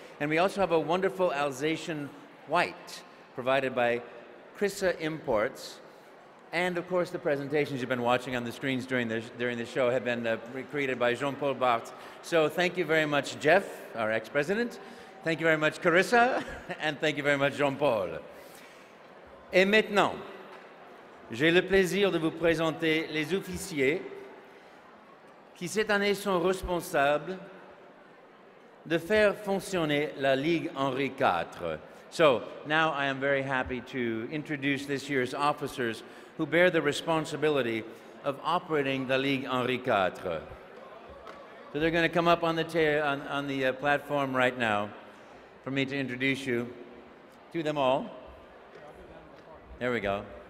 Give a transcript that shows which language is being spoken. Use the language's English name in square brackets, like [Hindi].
[English] And we also have a wonderful Alsatian white provided by Chrissa Imports. And of course, the presentations you've been watching on the screens during the show have been created by Jean-Paul Barthes. So thank you very much, Jeff, our ex-president. Thank you very much, Carissa. And thank you very much, Jean-Paul. [French] Et maintenant, j'ai le plaisir de vous présenter les officiers qui cette année sont responsables de faire fonctionner la Ligue Henri IV. [English] So, now I am very happy to introduce this year's officers who bear the responsibility of operating the Ligue Henri IV. So they're going to come up on the platform right now for me to introduce you to them all. There we go.